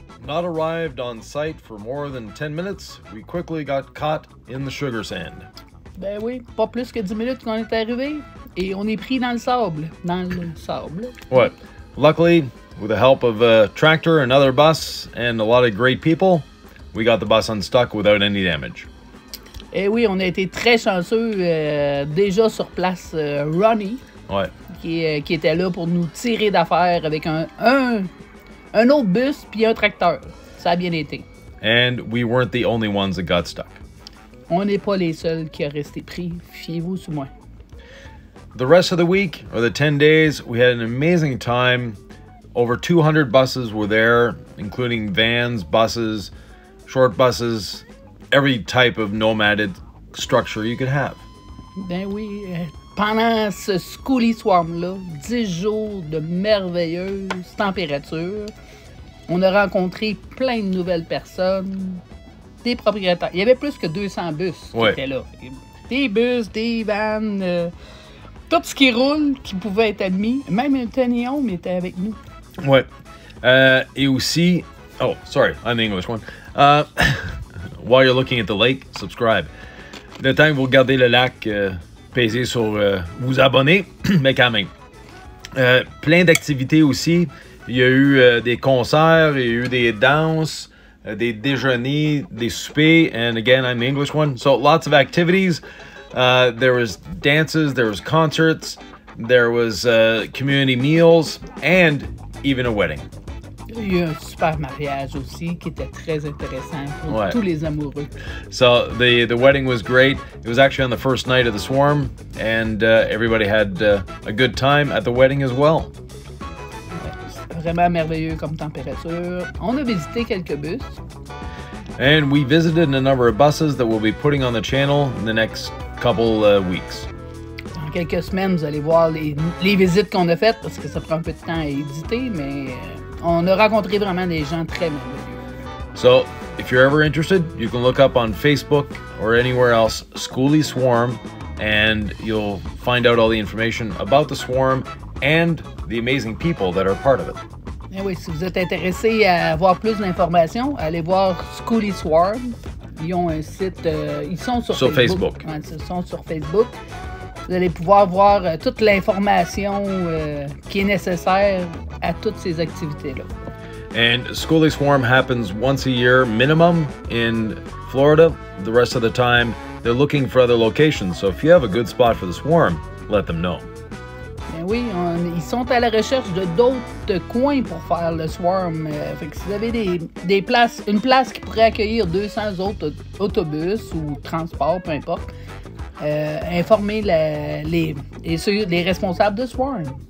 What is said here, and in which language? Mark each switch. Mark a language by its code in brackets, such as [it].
[en] Not arrived on site for more than 10 minutes, we quickly got caught in the sugar sand. [fr] Ben oui, pas plus que 10 minutes qu'on est arrivé et on est pris dans le sable. [en] What? Luckily, with the help of a tractor, another bus, and a lot of great people, we got the bus unstuck without any damage. [fr] Eh oui, on a été très chanceux déjà sur place, Ronnie. Ouais. Qui était là pour nous tirer d'affaire avec un autre bus puis un tracteur. Ça a bien été. [en] And we weren't the only ones that got stuck. [fr] On n'est pas les seuls qui a resté pris. Fiez-vous sur moi. [en] The rest of the week, or the 10 days, we had an amazing time. Over 200 buses were there, including vans, buses, short buses, every type of nomaded structure you could have. [fr] Ben oui. Pendant ce Skoolie Swarm-là, 10 jours de merveilleuses températures, on a rencontré plein de nouvelles personnes, des propriétaires. Il y avait plus que 200 bus qui ouais. étaient là. Des bus, des vans, tout ce qui roule, qui pouvait être admis. Même un tenillon était avec nous. Ouais. Et aussi... [en] Oh, sorry, I'm the English one. while you're looking at the lake, subscribe. [fr] Le temps que vous regardez le lac... Pesez sur vous abonner, mais quand même. Plein d'activités aussi. Il y a eu des concerts, il y a eu des danses, des déjeuners, des soupers. [en] And again, I'm the English one. So lots of activities. There was dances, there was concerts, there was community meals, and even a wedding. [fr] Il y a un super mariage aussi qui était très intéressant pour ouais. tous les amoureux. [en] So the wedding was great. It was actually on the first night of the swarm and everybody had a good time at the wedding as well. [fr] Vraiment merveilleux comme température. On a visité quelques bus. [en] And we visited a number of buses that we'll be putting on the channel in the next couple weeks. [fr] Dans quelques semaines, vous allez voir les visites qu'on a faites parce que ça prend un peu de temps à éditer, mais on a rencontré vraiment des gens très merveilleux. [en] So, if you're ever interested, you can look up on Facebook or anywhere else, Skoolie Swarm, and you'll find out all the information about the swarm and the amazing people that are part of it. [fr] Et oui, si vous êtes intéressé à avoir plus d'informations, allez voir Skoolie Swarm. Ils ont un site, ils sont sur Facebook. Ouais, ils sont sur Facebook. Vous allez pouvoir voir toute l'information qui est nécessaire à toutes ces activités-là. [en] And Skoolie Swarm happens once a year minimum in Florida. The rest of the time, they're looking for other locations. So if you have a good spot for the swarm, let them know. [fr] Ben oui, ils sont à la recherche de d'autres coins pour faire le swarm. Fait que si vous avez des places, une place qui pourrait accueillir 200 autres autobus ou transports, peu importe, informez les responsables de swarm.